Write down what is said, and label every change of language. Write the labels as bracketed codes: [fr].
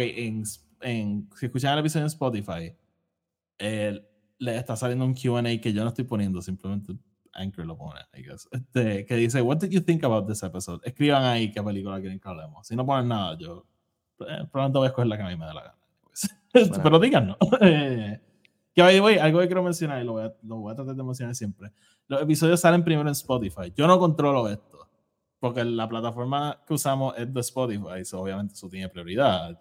[es] Si escuchan el episodio en Spotify, le está saliendo un Q&A que yo no estoy poniendo, simplemente Anchor lo pone, [en] I guess. Que dice, what did you think about this episode? [es] Escriban ahí qué película quieren que hablemos. Si no ponen nada, yo pronto voy a escoger la que a mí me dé la gana. Bueno. Pero díganlo. Que [en] by the way, [es] algo que quiero mencionar y lo voy a tratar de mencionar siempre. Los episodios salen primero en Spotify. Yo no controlo esto, porque la plataforma que usamos es de Spotify, so obviamente eso tiene prioridad.